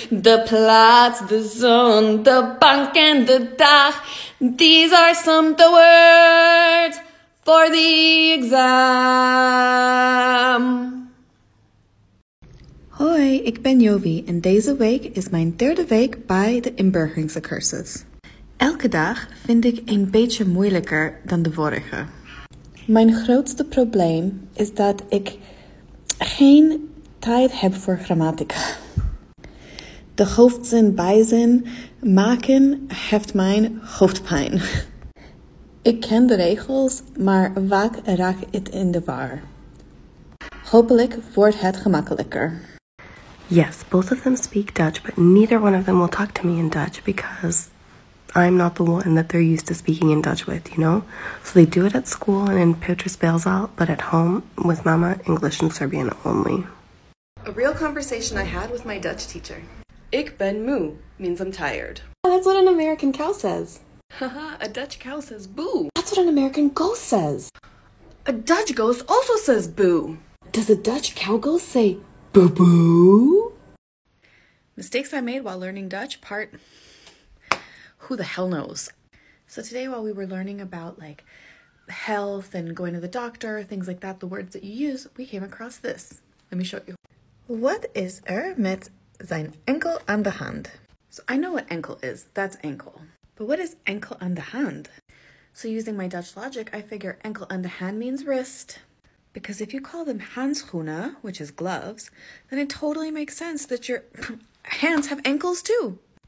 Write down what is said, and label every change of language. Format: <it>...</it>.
<nl>De plaats, de zon, de bank en de dag.</nl> <en>These are some the words for the exam.</en> <nl>Hoi, ik ben Jovie en deze week is mijn derde week bij de inburgeringscursus. Elke dag vind ik een beetje moeilijker dan de vorige. Mijn grootste probleem is dat ik geen tijd heb voor grammatica. De hoofdzin bijzin maken heeft mijn hoofdpijn. Ik ken de regels, maar vaak raak ik het in de war. Hopelijk wordt het gemakkelijker.</nl> <en>Yes, both of them speak Dutch, but neither one of them will talk to me in Dutch because I'm not the one that they're used to speaking in Dutch with, you know? So they do it at school and in Petrus Beelzaal, but at home with Mama, English and Serbian only. A real conversation I had with my Dutch teacher.</en> <nl>Ik ben moe</nl> <en>means I'm tired. Yeah, that's what an American cow says. Haha, a Dutch cow says boo. That's what an American ghost says. A Dutch ghost also says boo. Does a Dutch cow ghost say boo boo? Mistakes I made while learning Dutch, part... who the hell knows? So today while we were learning about like health and going to the doctor, things like that, the words that you use, we came across this. Let me show you. What is</en> <nl>met zijn enkel aan de hand?</nl> <en>So I know what enkel is, that's ankle. But what is</en> <nl>enkel aan de hand?</nl> <en>So using my Dutch logic, I figure</en> <nl>enkel aan de hand</nl> <en>means wrist. Because if you call them handschoenen, which is gloves, then it totally makes sense that your hands have ankles too.</en>